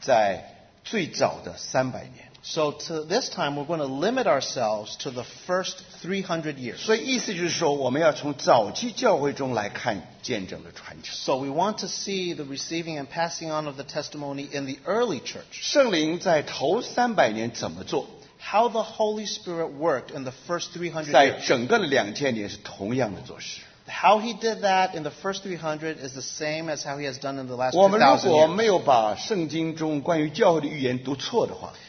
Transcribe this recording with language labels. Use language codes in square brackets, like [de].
[zh] 所以这次我们就限定在最早的300年。 [en] So to this time, we're going to limit ourselves to the first 300 years. [zh] 所以意思就是说我们要从早期教会中来看见证的传承。 [en] So we want to see the receiving and passing on of the testimony in the early church. [zh] 圣灵在头300年怎么做？ [en] How the Holy Spirit worked in the first 300 years. [zh] 在整个的2000年是同样的做事。 [en] How he did that in the first 300 is the same as how he has done in the last 2,000 years. [zh] 我们如果没有把圣经中关于教会的预言读错的话，